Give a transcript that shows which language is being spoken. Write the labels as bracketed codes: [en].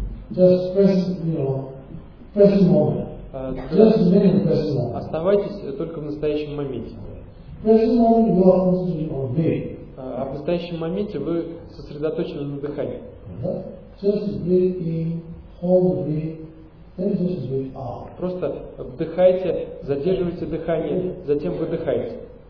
[en] Just present moment. [ru] Оставайтесь только в настоящем моменте. [en] Present moment, you are concentrating on breathing. [ru] А в настоящем моменте вы сосредоточены на дыхании. [en] Just breathe in, hold the breath, then just breathe out. [ru] Просто вдыхайте, задерживайте дыхание, затем выдыхайте.